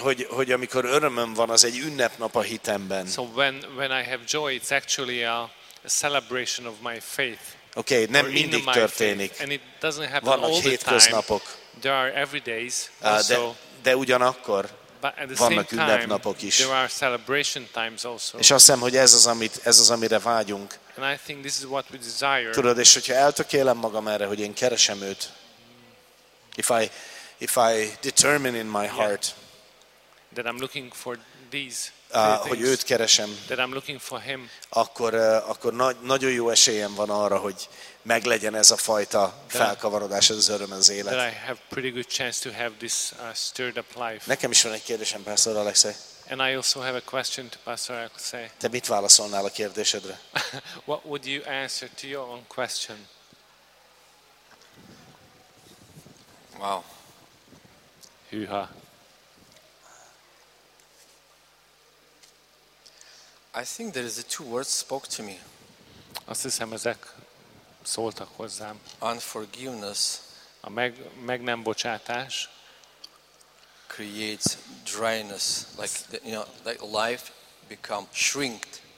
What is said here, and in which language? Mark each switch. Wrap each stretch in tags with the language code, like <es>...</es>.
<hu>Hogy amikor örömöm van, az egy ünnepnap a hitemben.</hu> <en>So when I have joy, it's actually a celebration of my faith.</en> <hu>Okay, nem mindig történik.</hu> <en>And it doesn't happen all the time.</en> <hu>Vannak hétköznapok.</hu> <en>There are every days.</en> <hu>De ugyanakkor vannak ünnepnapok is.</hu> <en>There are celebration times also.</en> <hu>És azt hiszem, hogy ez az amire vágyunk.</hu> <en>And I think this is what we desire.</en> <hu>Tudod, és hogyha eltökélem magam erre, hogy én keresem őt.</hu> <en>If I determine in my heart that I'm looking for these,</en> <hu>hogy őt keresem,</hu> <en>that I'm looking for him,</en> <hu>akkor nagyon jó esélyem van arra, hogy meglegyen ez a fajta felkavarodás, ez az öröm, az élet.</hu> <en>That I have pretty good chance to have this stirred up life.</en> <hu>Nekem is van egy kérdésem, Pastor Alexei.</hu> <en>And I also have a question to Pastor Alexei.</en> <hu>Te mit válaszolnál a kérdésedre?</hu> <en>What would you answer to your own question? Wow.</en> <hu>Hűha.</hu> <en>I think there is a two words spoke to me.</en> <hu>Azt hiszem, ezek szóltak hozzám.</hu> <en>Unforgiveness.</en> <hu>A meg nem bocsátás.</hu> <en>Creates dryness, like the, you know, like life become shrinked.</en>